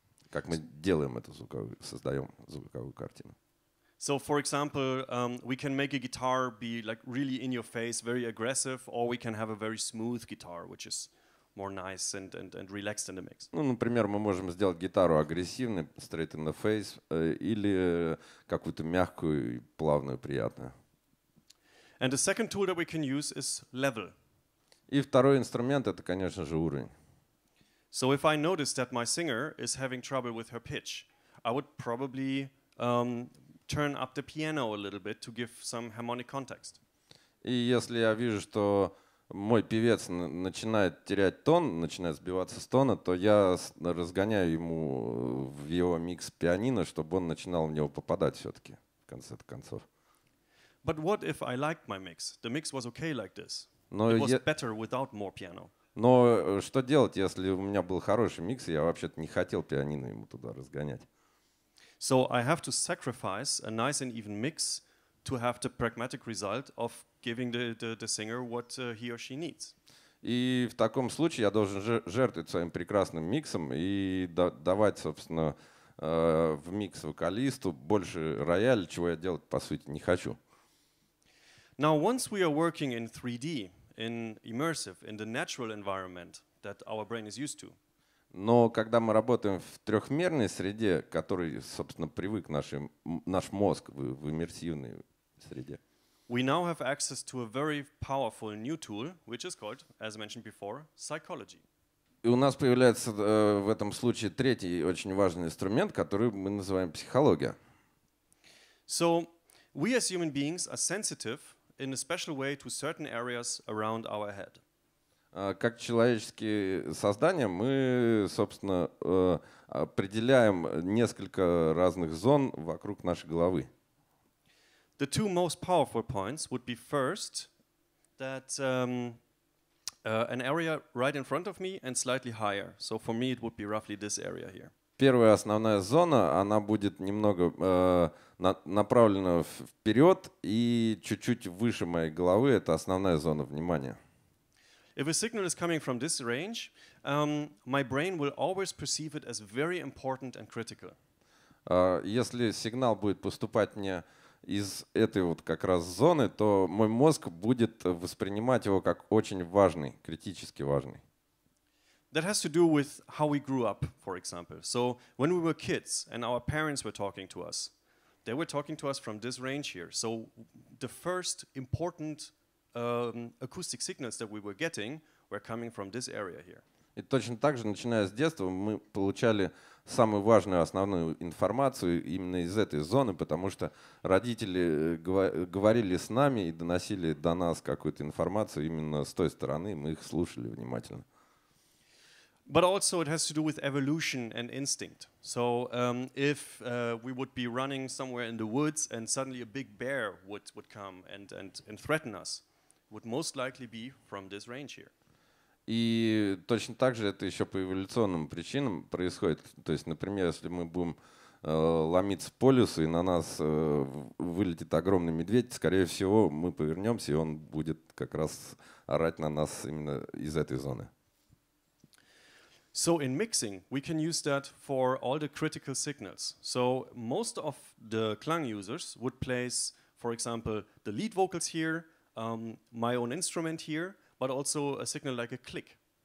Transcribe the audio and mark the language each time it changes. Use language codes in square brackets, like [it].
[ru] Как мы делаем эту звуковую, создаем звуковую картину. [en] So, for example, we can make a guitar be like really in your face, very aggressive, or we can have a very smooth guitar, which is more nice and relaxed in the mix. [ru] Ну, например, мы можем сделать гитару агрессивной, [en] straight in the face, [ru] или какую-то мягкую, плавную, приятную. [en] And the second tool that we can use is level. [ru] И второй инструмент — это, конечно же, уровень. [en] So if I notice that my singer is having trouble with her pitch, I would probably turn up the piano a little bit to give some harmonic context. [ru] И если я вижу, что мой певец начинает терять тон, начинает сбиваться с тона, то я разгоняю ему в его микс пианино, чтобы он начинал в него попадать все-таки в конце концов. [en] But what if I liked my mix? The mix was okay like this. It was better without more piano. [ru] Но что делать, если у меня был хороший микс, и я вообще-то не хотел пианино ему туда разгонять? [en] So I have to sacrifice a nice and even mix to have the pragmatic result of giving the singer what he or she needs. [ru] И в таком случае я должен жертвовать своим прекрасным миксом и давать, собственно, в микс вокалисту больше рояля, чего я делать по сути не хочу. [en] Now once we are working in 3D, in immersive, in the natural environment that our brain is used to. [ru] Но когда мы работаем в трехмерной среде, которой, собственно, привык наш мозг в иммерсивной среде. [en] We now have access to a very powerful new tool, which is called, as mentioned before, psychology. [ru] И у нас появляется в этом случае третий очень важный инструмент, который мы называем психология. [en] So we as human beings are sensitive in a special way to certain areas around our head. [ru] Как человеческие создания, мы, собственно, определяем несколько разных зон вокруг нашей головы. [en] The two most powerful points would be first that an area right in front of me and slightly higher. So for me it would be roughly this area here. [ru] Первая основная зона, она будет немного направлена вперед и чуть-чуть выше моей головы. Это основная зона внимания. [en] If a signal is coming from this range, my brain will always perceive it as very important and critical. [ru] Если сигнал будет поступать мне из этой вот как раз зоны, то мой мозг будет воспринимать его как очень важный, критически важный. [en] That has to do with how we grew up, for example. So when we were kids and our parents were talking to us, they were talking to us from this range here. So the first important acoustic signals that we were getting were coming from this area here. [ru] И точно так же, начиная с детства, мы получали самую важную основную информацию именно из этой зоны, потому что родители говорили с нами и доносили до нас какую-то информацию именно с той стороны, мы их слушали внимательно. [en] But also it has to do with evolution and instinct. So if we would be running somewhere in the woods and suddenly a big bear would come and threaten us, would most likely be from this range here. [ru] И точно так же это еще по эволюционным причинам происходит. То есть, например, если мы будем ломиться по лесу, и на нас вылетит огромный медведь, скорее всего, мы повернемся, и он будет как раз орать на нас именно из этой зоны. [en] So in mixing, we can use that for all the critical signals. So most of the KLANG users would place, for example, the lead vocals here, my own instrument here, but also a signal like a click.